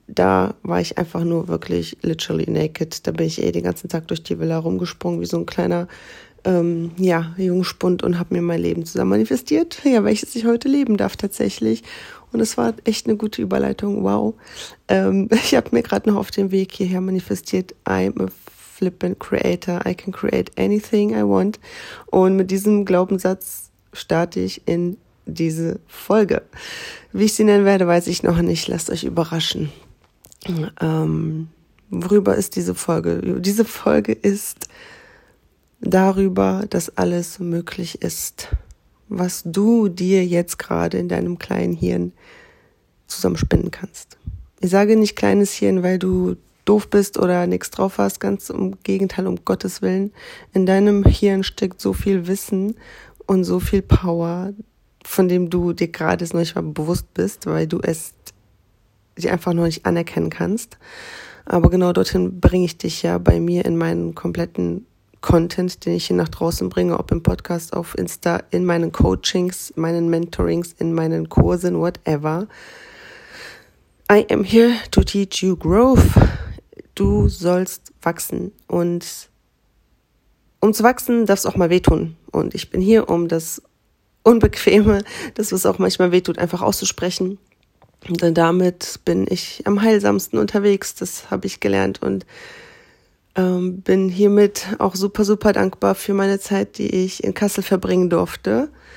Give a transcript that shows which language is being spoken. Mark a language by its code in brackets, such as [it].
[de] Da war ich einfach nur wirklich [en] literally naked. [de] Da bin ich den ganzen Tag durch die Villa rumgesprungen, wie so ein kleiner Jungspund und habe mir mein Leben zusammen manifestiert, ja, welches ich heute leben darf tatsächlich. Und es war echt eine gute Überleitung. Wow. Ich habe mir gerade noch auf dem Weg hierher manifestiert. [en] I'm a flippin' creator, I can create anything I want. [de] Und mit diesem Glaubenssatz starte ich in diese Folge. Wie ich sie nennen werde, weiß ich noch nicht. Lasst euch überraschen. Worüber ist diese Folge? Diese Folge ist darüber, dass alles möglich ist, was du dir jetzt gerade in deinem kleinen Hirn zusammenspinnen kannst. Ich sage nicht kleines Hirn, weil du doof bist oder nichts drauf hast, ganz im Gegenteil, um Gottes Willen. In deinem Hirn steckt so viel Wissen und so viel Power, von dem du dir gerade noch nicht mal bewusst bist, weil du es dir einfach noch nicht anerkennen kannst. Aber genau dorthin bringe ich dich ja bei mir in meinen kompletten Content, den ich hier nach draußen bringe, ob im Podcast, auf Insta, in meinen Coachings, meinen Mentorings, in meinen Kursen, whatever. [en] I am here to teach you growth. [de] Du sollst wachsen. Und um zu wachsen, darf es auch mal wehtun. Und ich bin hier, um das Unbequeme, das was auch manchmal wehtut, einfach auszusprechen. Und dann damit bin ich am heilsamsten unterwegs. Das habe ich gelernt. Und bin hiermit auch super, super dankbar für meine Zeit, die ich in Kassel verbringen durfte.